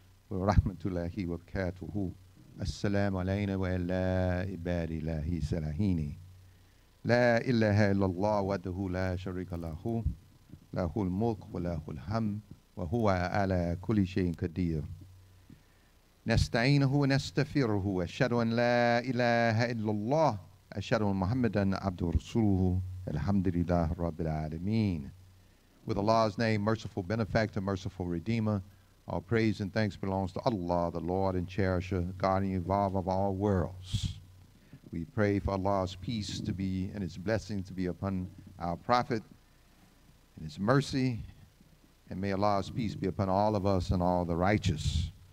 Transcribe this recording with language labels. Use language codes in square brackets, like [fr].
[ar] ورحمتullahi wa barakatuhu. السلام علينا وعلى عباد الله الصالحين. لا إله إلا الله وحده لا شريك له. له الملك وله الحمد وهو على كل شيء قدير. نستعينه ونستغفره أشهد أن لا إله إلا الله أشهد أن محمدا عبد رسوله الحمد لله رب العالمين. [en] With Allah's name, merciful benefactor, merciful redeemer. All praise and thanks belongs to Allah, the Lord and Cherisher, Guardian and Evolver of all worlds. We pray for Allah's peace to be and His blessing to be upon our Prophet and His mercy. And may Allah's peace be upon all of us and all the righteous.